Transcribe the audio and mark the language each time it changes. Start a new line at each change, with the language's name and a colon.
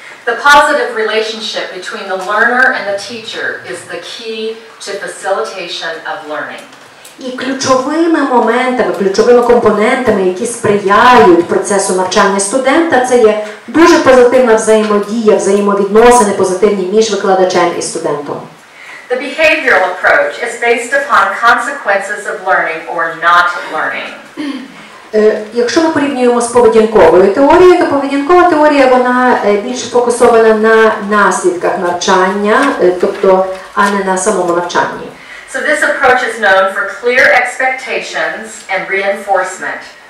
English: The positive relationship between the learner and the teacher is the key to facilitation of learning.
Ukrainian: І ключовими моментами, ключовими компонентами, які сприяють процесу навчання студента, це є дуже позитивна взаємодія, взаємовідносини позитивні між викладачем і студентом.
English: The behavioral approach is based upon consequences of learning or not learning.
Ukrainian: Якщо ми порівнюємо з поведінковою теорією, то поведінкова теорія, вона більше фокусована на наслідках навчання, тобто, а не на самому навчанні.
English: So this approach is known for clear expectations and reinforcement.